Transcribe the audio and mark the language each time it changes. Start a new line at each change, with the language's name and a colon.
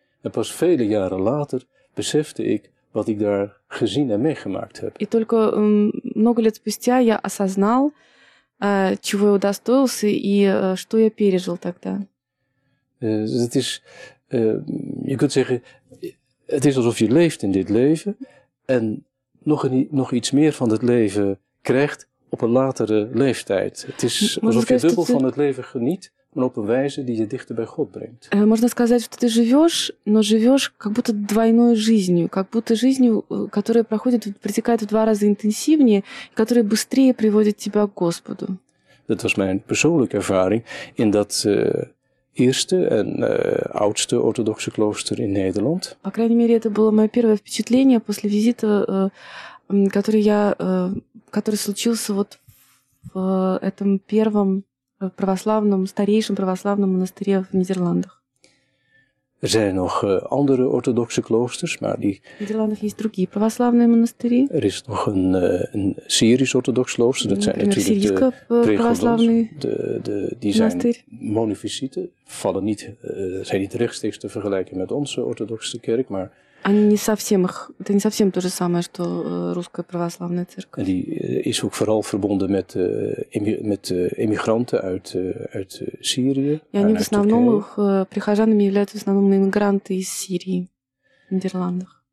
Dutch: En pas vele jaren later besefte ik wat ik daar gezien en meegemaakt heb.
Russian: И только много лет спустя я осознал, чего я удостоился и что я пережил тогда.
Dutch: Het is, je kunt zeggen, het is alsof je leeft in dit leven en nog iets meer van het leven krijgt op een latere leeftijd. Het is alsof je dubbel van het leven geniet, maar op een wijze die je dichter bij God brengt.
Russian: Можно сказать, что ты живешь, но живешь как будто двойной жизнью, как будто жизнью, которая проходит, протекает в два раза интенсивнее, которая быстрее приводит тебя к Господу.
Dutch: Dat was mijn persoonlijke ervaring in dat eerste en oudste orthodoxe klooster in Nederland.
Russian: По крайней мере, это было мое первое впечатление после визита, который случился вот в этом первом православном, старейшем православном монастыре в Нидерландах.
Dutch: Er zijn nog andere orthodoxe kloosters, maar die...
Russian: В Нидерландах есть другие православные монастыри.
Dutch: Er is nog een Syrisch orthodox klooster, dat zijn
Russian: например,
Dutch: natuurlijk
Russian: Syrische православные
English: die monastery.
Dutch: Zijn monofysieten, vallen niet, zijn niet rechtstreeks te vergelijken met onze orthodoxe kerk, maar...
Russian: Они не совсем их, это не совсем то же самое, что русская православная церковь.
Dutch: Die is ook vooral verbonden met эмигранты uit Syrië.
Russian: И они в основном, их прихожанами являются в основном иммигранты из Сирии, в Нидерландах.